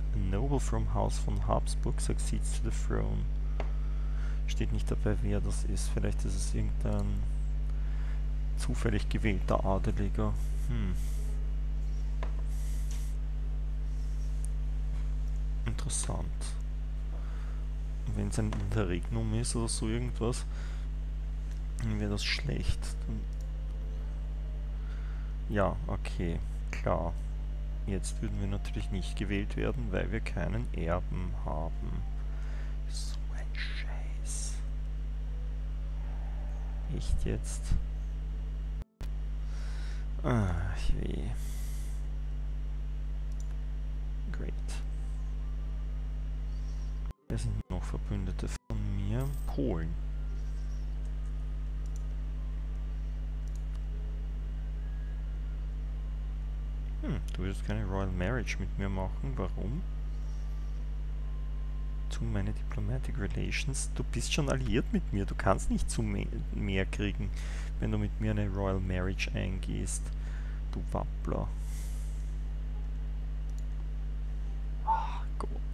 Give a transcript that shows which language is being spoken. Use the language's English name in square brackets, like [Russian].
[English] Noble from House von Habsburg succeeds to the throne. [German] Steht nicht dabei, wer das ist. Vielleicht ist es irgendein zufällig gewählter Adeliger. Interessant. Wenn es ein Interregnum ist oder so irgendwas, dann wäre das schlecht. Dann ja, okay, klar. Jetzt würden wir natürlich nicht gewählt werden, weil wir keinen Erben haben. So ein Scheiß. Echt jetzt? Ach weh. [English] Great. [German] Wer sind noch Verbündete von mir? Polen. Du willst keine Royal Marriage mit mir machen, warum? [English] Too many diplomatic relations. [German] Du bist schon alliiert mit mir, du kannst nicht zu mehr kriegen, wenn du mit mir eine Royal Marriage eingehst, du Wappler. Ach Gott.